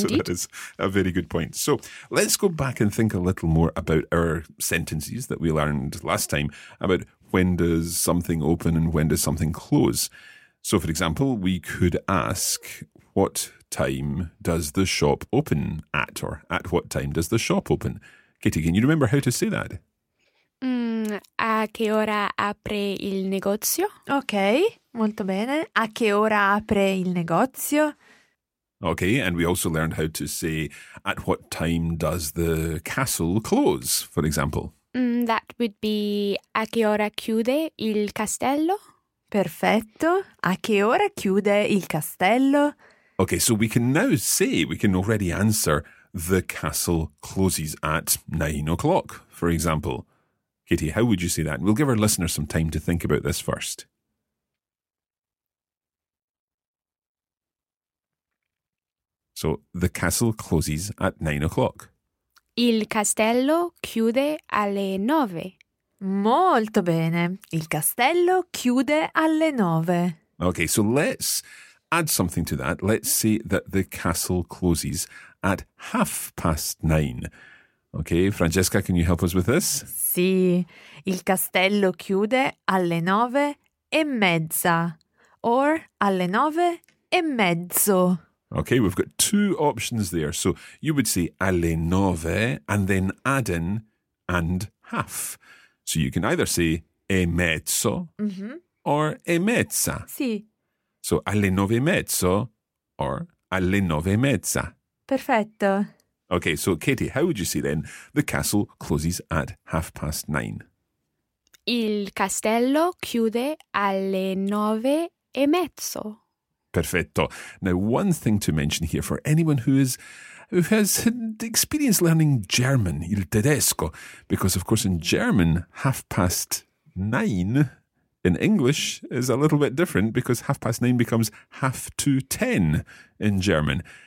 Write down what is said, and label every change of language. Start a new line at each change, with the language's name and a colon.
English: So that is a very good point. So let's go back and think a little more about our sentences that we learned last time about when does something open and when does something close. So, for example, we could ask, what time does the shop open at? Or at what time does the shop open? Katie, can you remember how to say that?
Italian: A che ora apre il negozio? Ok, molto bene. A che ora apre il negozio?
English: Ok, and we also learned how to say, at what time does the castle close, for example? That would be,
Italian: a che ora chiude il castello? Perfetto. A che ora chiude il castello?
English: Ok, so we can now say, we can already answer, the castle closes at 9 o'clock, for example. Katie, how would you say that? We'll give our listeners some time to think about this first. So, the castle closes at 9 o'clock.
Italian: Il castello chiude alle 9. Molto bene. Il castello chiude alle 9.
English: Okay, so let's add something to that. Let's say that the castle closes at 9:30. Okay, Francesca, can you help us with this?
Italian: Sì, il castello chiude alle 9:30
English: or
Italian: alle 9:30.
English: Okay, we've got two options there. So you would say
Italian: alle 9
English: and then add in and half. So you can either say
Italian: e mezzo
English: or
Italian: e mezza. Sì.
English: So
Italian: alle 9:30
English: or
Italian: alle 9:30. Perfetto.
English: Okay, so Katie, how would you say then the castle closes at 9:30?
Italian: Il castello chiude alle 9:30. Perfetto.
English: Now, one thing to mention here for anyone who has experience learning German,
Italian: il tedesco,
English: because of course in German, 9:30 in English is a little bit different because 9:30 becomes 9:50 in German.